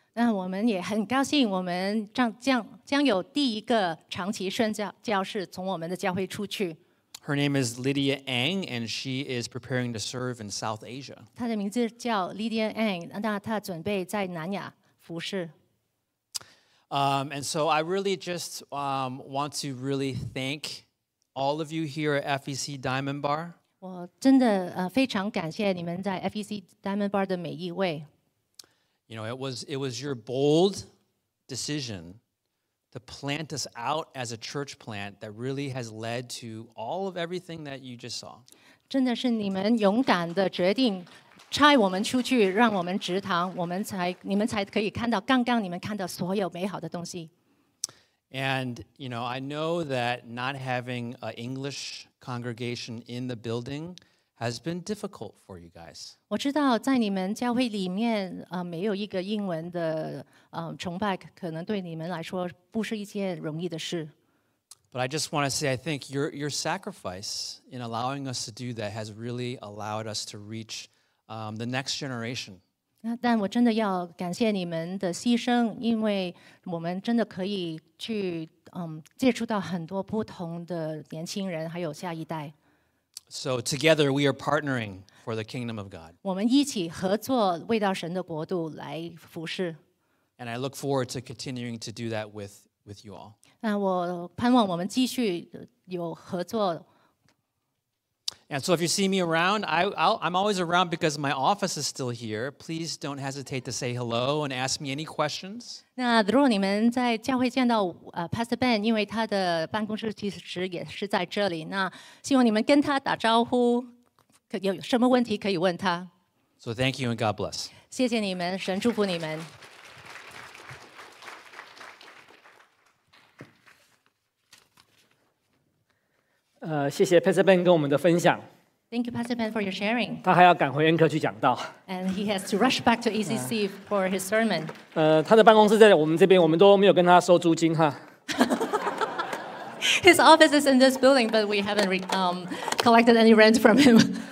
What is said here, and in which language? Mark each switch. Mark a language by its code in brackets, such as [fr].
[zh] 那我们也很高兴，我们将有第一个长期宣教教士从我们的教会出去。 [en] Her name is Lydia Ang, and she is preparing to serve in South Asia. [zh] 她的名字叫 Lydia Ang， 那她准备在南亚服事。 [en] And so I really just want to really thank all of you here at FEC Diamond Bar. [zh] 我真的非常感谢你们在 FEC Diamond Bar 的每一位。 [en] You know, it was your bold decision to plant us out as a church plant that really has led to all of everything that you just saw. [zh] 真的是你们勇敢的决定拆我们出去，让我们植堂，你们才可以看到刚刚你们看到所有美好的东西。 [en] And you know, I know that not having an English congregation in the building has been difficult for you guys. [zh] 我知道在你们教会里面，没有一个英文的崇拜，可能对你们来说不是一件容易的事。 [en] But I just want to say, I think your sacrifice in allowing us to do that has really allowed us to reach the next generation. [zh] 但我真的要感谢你们的牺牲，因为我们真的可以去接触到很多不同的年轻人，还有下一代。 [en] So together we are partnering for the kingdom of God. [zh] 我们一起合作，为到神的国度来服事。 [en] And I look forward to continuing to do that with you all. [zh] 那我盼望我们继续有合作。 [en] And so if you see me around, I'm always around because my office is still here. Please don't hesitate to say hello and ask me any questions. [zh] 那如果你们在教会见到Pastor Ben, 因为他的办公室其实也是在这里，那希望你们跟他打招呼，有什么问题可以问他。 [en] So thank you and God bless. [zh] 谢谢你们，神祝福你们。谢谢 Pastor Ben 跟我们的分享。 [en] Thank you, Pastor Ben, for your sharing. [zh] 他还要赶回 Anchor 去讲道。 [en] And he has to rush back to ECC for his sermon. [zh] 他的办公室在我们这边，我们都没有跟他收租金哈。 [en] His office is in this building, but we haven't collected any rent from him.